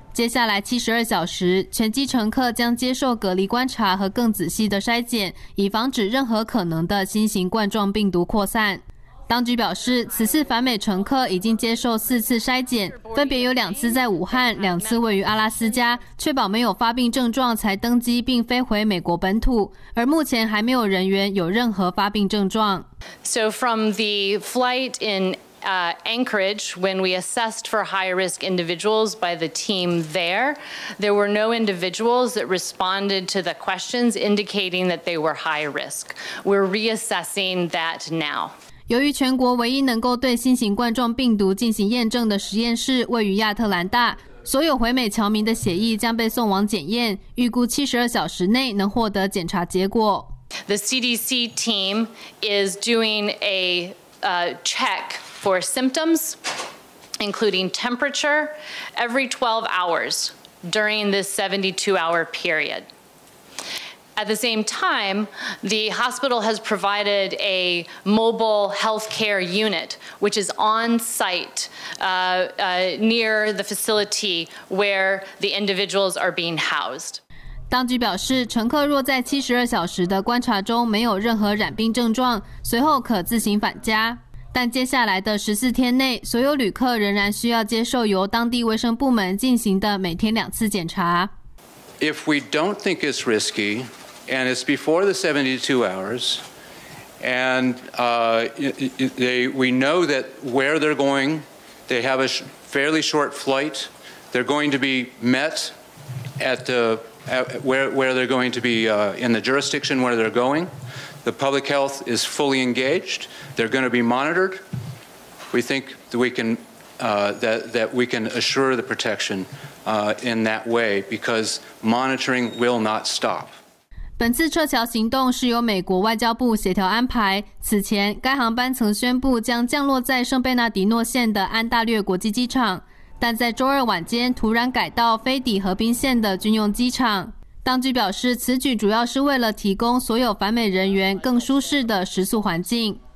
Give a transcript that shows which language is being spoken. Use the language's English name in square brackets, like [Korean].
[Chinese] 接下来72小时，全机乘客将接受隔离观察和更仔细的筛检，以防止任何可能的新型冠状病毒扩散。当局表示，此次返美乘客已经接受4次筛检，分别有2次在武汉，2次位于阿拉斯加，确保没有发病症状才登机并飞回美国本土。而目前还没有人员有任何发病症状。 [English] So from the flight in Anchorage, when we assessed for high-risk individuals by the team there, there were no individuals that responded to the questions indicating that they were high risk. We're reassessing that now. [Chinese] 由于全国唯一能够对新型冠状病毒进行验证的实验室位于亚特兰大，所有回美侨民的血液将被送往检验，预估72小时内能获得检查结果。 [English] The CDC team is doing a check for symptoms, including temperature, every 12 hours during this 72-hour period. At the same time, the hospital has provided a mobile healthcare unit, which is on site near the facility where the individuals are being housed. [Chinese] 当局表示，乘客若在72小时的观察中没有任何染病症状，随后可自行返家。但接下来的14天内，所有旅客仍然需要接受由当地卫生部门进行的每天2次检查。 [English] If we don't think it's risky. And it's before the 72 hours, and we know that where they're going, they have a fairly short flight. They're going to be met at the where they're going to be in the jurisdiction where they're going. The public health is fully engaged. They're going to be monitored. We think that we can assure the protection in that way because monitoring will not stop. [Chinese] 本次撤侨行动是由美国外交部协调安排。此前，该航班曾宣布将降落在圣贝纳迪诺县的安大略国际机场，但在周二晚间突然改到飞抵河滨县的军用机场。当局表示，此举主要是为了提供所有返美人员更舒适的食宿环境。